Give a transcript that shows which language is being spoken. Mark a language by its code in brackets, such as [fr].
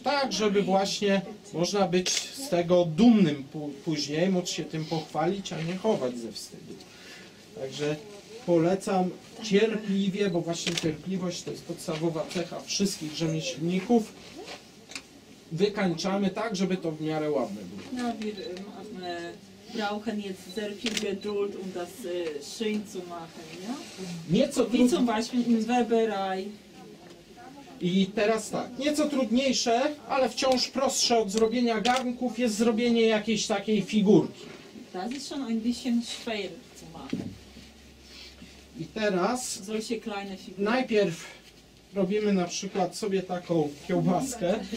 [pl] Tak, żeby właśnie można być z tego dumnym później, móc się tym pochwalić, a nie chować ze wstydu. Także polecam cierpliwie, bo właśnie cierpliwość to jest podstawowa cecha wszystkich rzemieślników. Wykańczamy tak, żeby to w miarę ładne było. [de] No, wir brauchen jetzt sehr viel Geduld, um das schön zu machen, ja? [pl] Nieco [de] wie zum Beispiel im Weberei. [pl] I teraz tak, nieco trudniejsze, ale wciąż prostsze od zrobienia garnków jest zrobienie jakiejś takiej figurki. [de] Das ist schon ein bisschen schwer zu machen. [pl] I teraz najpierw robimy na przykład sobie taką kiełbaskę.